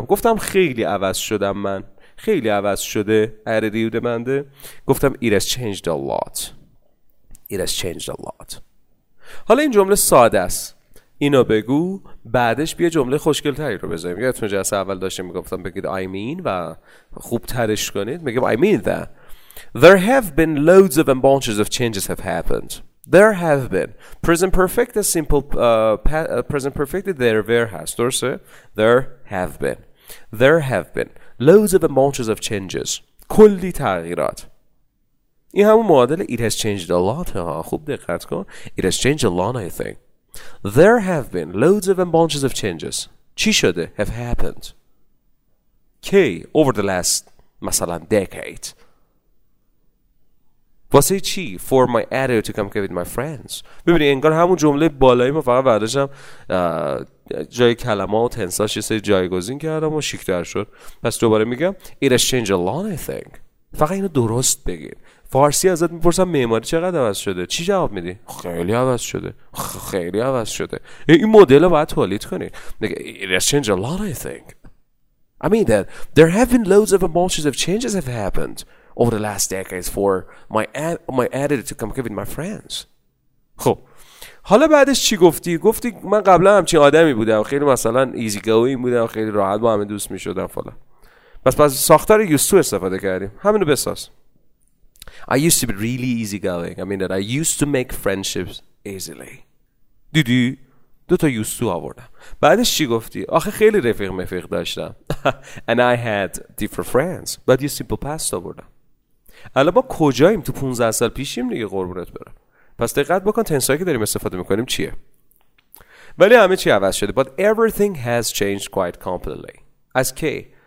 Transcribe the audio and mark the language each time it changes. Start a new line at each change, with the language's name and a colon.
Persian: گفتم خیلی عوض شدم من. خیلی عوض شده. اردیود منده. گفتم
English: it has changed a lot. It has changed a lot.
Persian: حالا این جمله ساده است. اینو بگو، بعدش بیا جمله خوشگل تری رو بذاریم. یادتون جلسه اول داشتم میگفتم بگید
English: I mean
Persian: و خوب ترش کنید. میگم
English: I mean that. There have been loads of and bunches of changes have happened. There have been. Present perfect is simple. Present perfect is there has.
Persian: درسته؟
English: There have been. There have been. Loads of and bunches of changes.
Persian: کلی تغییرات. این همون معادله
English: it has changed a lot.
Persian: خوب دقت کن.
English: It has changed a lot, I think. There have been loads of and bunches of changes.
Persian: چی شده؟
English: Have happened.
Persian: کی؟
English: Over the last,
Persian: مثلا,
English: decade.
Persian: واسه چی؟
English: For my attitude to communicate with my friends.
Persian: ببینی انگار همون جمله بالایی ما فقط بعدشم جای کلمه و تنساش یه سری جایگزین کردم و شیکتر شد. پس دوباره میگم
English: It has changed a lot, I think.
Persian: فقط اینو درست بگیم. فارسی ازت میپرسم معماری چقدر عوض شده؟ چی جواب میدی؟ خیلی عوض شده. خیلی عوض شده. این مدل رو باید تولید کنی.
English: It has changed a lot, I think. I mean that there have been loads of emotions of changes have happened over the last decades for my attitude to communicate with my friends.
Persian: خب حالا بعدش چی گفتی؟ گفتی من قبلا همچین آدمی بودم، خیلی مثلا ایزی گوینگ بودم، خیلی راحت با همه دوست میشدم فلان. پس ساختار used to استفاده کردیم، همینو بساز.
English: I used to be really easygoing. I mean that I used to make friendships easily.
Persian: دیدی دو تا یوسو آوردم. بعدش چی گفتی؟ آخه خیلی رفیق مفیق داشتم.
English: And I had different friends.
Persian: بعد یه simple past آوردم. الان ما کجاییم؟ تو 15 سال پیشیم دیگه، قربونت برم. پس دقت بکن تنسایی که داریم استفاده میکنیم چیه. ولی همه چی عوض شده.
English: But everything has changed quite completely. As K.